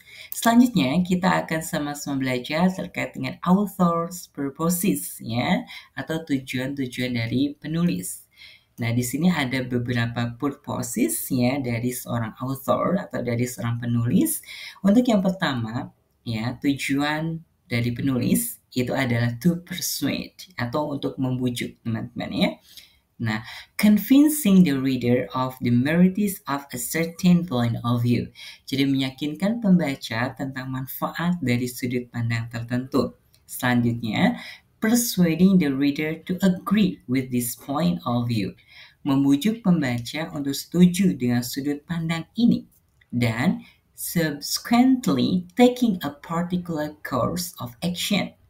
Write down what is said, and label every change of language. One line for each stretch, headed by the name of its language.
Indonesian: Selanjutnya, kita akan sama-sama belajar terkait dengan author's purposes, ya, atau tujuan-tujuan dari penulis. Nah, di sini ada beberapa purposes, ya, dari seorang author atau dari seorang penulis. Untuk yang pertama, ya, tujuan dari penulis itu adalah
English: to persuade
Indonesian: atau untuk membujuk, teman-teman, ya.
English: Nah, convincing the reader of the merits of a certain point of view.
Indonesian: Jadi, meyakinkan pembaca tentang manfaat dari sudut pandang tertentu.
English: Selanjutnya, persuading the reader to agree with this point of view.
Indonesian: Membujuk pembaca untuk setuju dengan sudut pandang ini.
English: Dan, subsequently, taking a particular course of action.